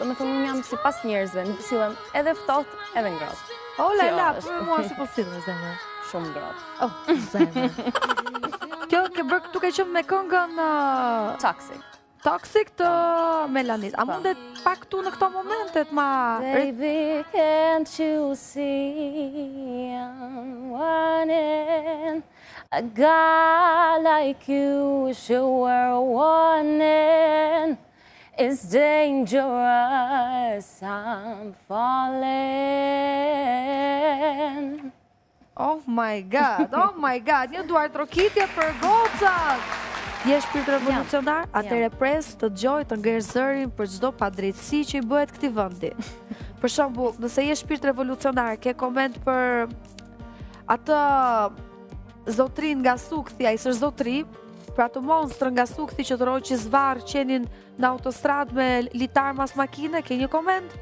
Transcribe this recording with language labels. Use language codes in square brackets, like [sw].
[sq] Domethënë un jam sipas njerëzve, nuk sillem edhe ftohtë edhe ngrohtë. O Leila, për mua si po sillesh zemra? Shumë ngrohtë. Oh, zemra. Kjo ke bërë këtu ke qënë me këngën... Toxic. Toxic të Melanie. A mundet pa këtu në këto momentet ma... [en] Baby, can't you see I'm wanting a guy like you sure wanting it's dangerous I'm falling. Oh my god, oh my god, [sq] një duart rokitje për gocat. Je shpirt revolucionar, atëre pres të dëgjoj të ngjerë zërin për çdo padrejtësi që i bëhet këtij vendi. Për shembull, nëse je shpirt revolucionar, ke koment për atë zotrin nga Sukthi, ai s'është zotri, për atë monstër nga Sukthi që tërhoqi që zvarr qenin në autostradë me litar mas makine, ke një koment?